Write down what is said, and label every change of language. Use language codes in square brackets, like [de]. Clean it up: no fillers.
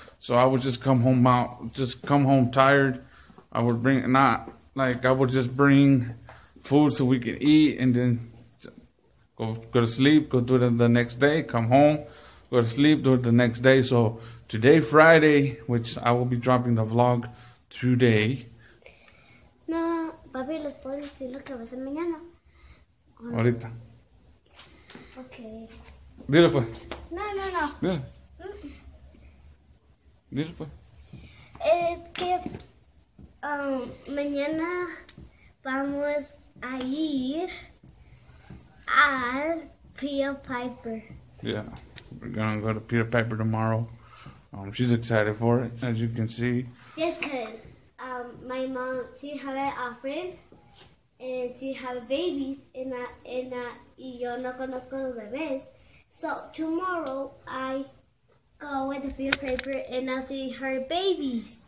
[en] So I would just come home tired. I would bring food so we could eat and then go to sleep, go do it the next day, come home, go to sleep, do it the next day. So today, Friday, which I will be dropping the vlog today. [es] No, papi, les puedo decir lo que va a ser mañana. Ahorita. [en] Okay. [es] Dile pues. No. Dile. Dile pues. Es que mañana vamos a ir al Peter Piper. [en] Yeah, we're gonna go to Peter Piper tomorrow. She's excited for it, as you can see. Yes, because my mom, she had an offering, and she had babies, [es] y yo no conozco los bebés. [en] So tomorrow, I go with the field paper, and I see her babies.